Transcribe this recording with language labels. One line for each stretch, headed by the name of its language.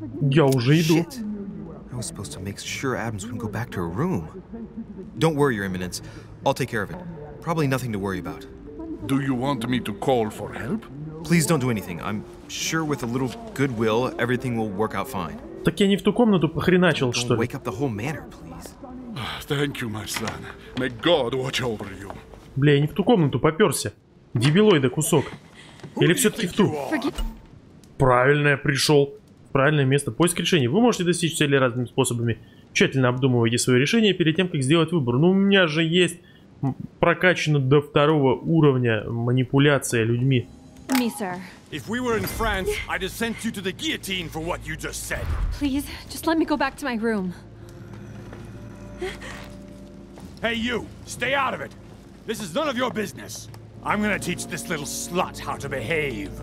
Russian: Я уже иду.
English: I was supposed to make sure Adams wouldn't go back to her room. Don't worry, Your Eminence. I'll take care of it. Probably nothing to worry about. Do you want me to call for help? Please don't do anything. I'm sure with a little goodwill, everything will work out fine.
Russian: Так я не в ту комнату похреначил, что ли?
English: Don't wake up the whole manor, please. Thank you, my son. May God watch over you.
Russian: Бля, я не в ту комнату попёрся. Дебилоида кусок. Или всё-таки в ту? Правильно я пришёл. Правильное место. Поиск решения. Вы можете достичь цели разными способами. Тщательно обдумывайте свое решение перед тем, как сделать выбор. Ну, у меня же есть прокачано до второго уровня манипуляция людьми.
English: If we were in France, I'd have sent you to the guillotine for what you just said. Please, just let me go back to my room. Hey, you, stay out of it. This is none of your business. I'm gonna teach this little slut how to behave.